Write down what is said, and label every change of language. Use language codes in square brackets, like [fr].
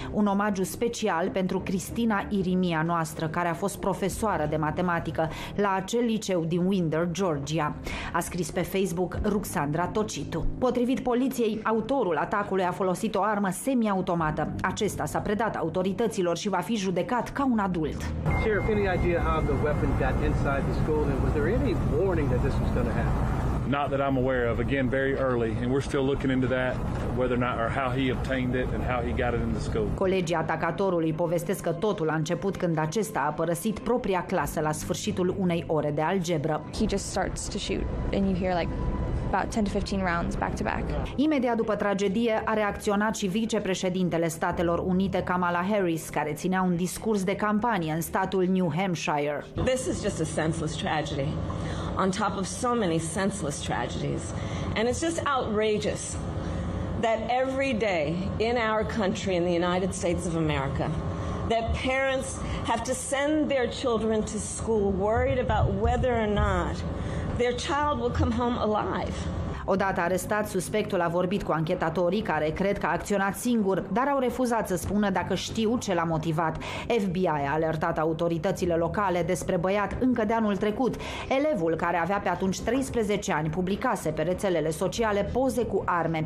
[ro] Un omagiu special pentru Cristina Irimia noastră, care a fost profesoară de matematică la acel liceu din Winder, Georgia. A scris pe Facebook Ruxandra Tocitu. Potrivit poliției, autorul atacului a folosit o armă semiautomată. Acesta s-a predat autorităților și va fi judecat ca un adult. [en] Sheriff, any idea how the weapon got inside the school, and was there any warning that this was going to happen? Not that I'm aware of. Again, very early, and we're still looking into that, whether or not or how he obtained it and how he got it in the school. [ro] Colegii atacatorului povestesc că totul a început când acesta a părăsit propria clasă la sfârșitul unei ore de algebră. [en] He just starts to shoot, and you hear like about 10 to 15 rounds back to back. [ro] Imediat după tragedie a reacționat și vicepreședintele Statelor Unite Kamala Harris, care ținea un discurs de campanie în statul New Hampshire. [en] This is just a senseless tragedy on top of so many senseless tragedies, and it's just outrageous that every day in our country, in the United States of America, that parents have to send their children to school worried about whether or not their child will come home alive. [ro] Odată arestat, suspectul a vorbit cu anchetatorii, care cred că a acționat singur, dar au refuzat să spună dacă știu ce l-a motivat. FBI a alertat autoritățile locale despre băiat încă de anul trecut. Elevul, care avea pe atunci 13 ani, publicase pe rețelele sociale poze cu arme.